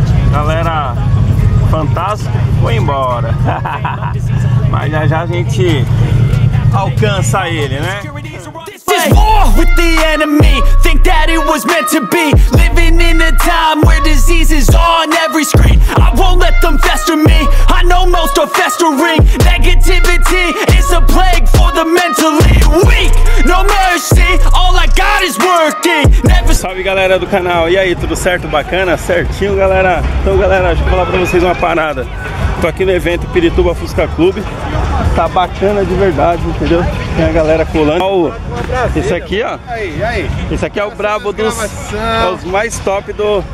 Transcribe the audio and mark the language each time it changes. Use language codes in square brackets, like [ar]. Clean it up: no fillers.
[pt] Galera fantástica, foi embora. Mas já já a gente alcança ele, né? [en] With the enemy, think that it was meant to be. Living in a time where disease is on every screen. I won't let them fester me. I know most are festering. Negativity is a plague for the mentally weak. No mercy, all I got is working. Never... [pt] Salve galera do canal, e aí, tudo certo? Bacana? Certinho, galera? Então, galera, deixa eu falar pra vocês uma parada. Tô aqui no evento Pirituba Fusca Clube. Tá bacana de verdade, entendeu? Tem a galera colando. Ó, esse aqui, ó. Esse aqui é o brabo dos... os mais top do...